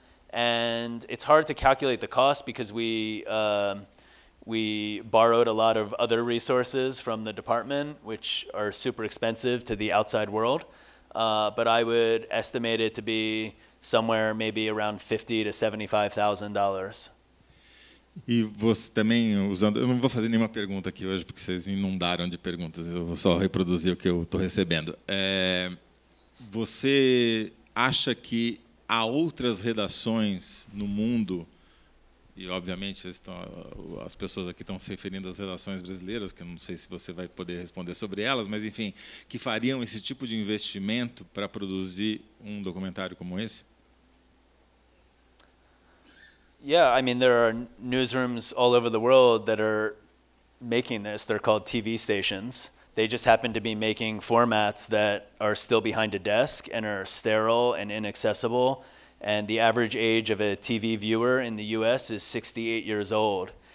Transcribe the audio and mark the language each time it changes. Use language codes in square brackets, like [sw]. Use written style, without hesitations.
[en] And it's hard to calculate the cost because we borrowed a lot of other resources from the department, which are super expensive to the outside world. But I would estimate it to be somewhere maybe around $50,000 to $75,000. [pt] E você também usando, eu não vou fazer nenhuma pergunta aqui hoje porque vocês me inundaram de perguntas. Eu vou só reproduzir o que eu estou recebendo. Você acha que há outras redações no mundo? E, obviamente, as pessoas aqui estão se referindo às redações brasileiras, que eu não sei se você vai poder responder sobre elas, mas, enfim, que fariam esse tipo de investimento para produzir um documentário como esse? [en] Yeah, I mean, there are newsrooms all over the world that are making this. They're called TV stations. They just happen to be making formats that are still behind a desk and are sterile and inaccessible. And the average age of a TV viewer in the US is 68 years old.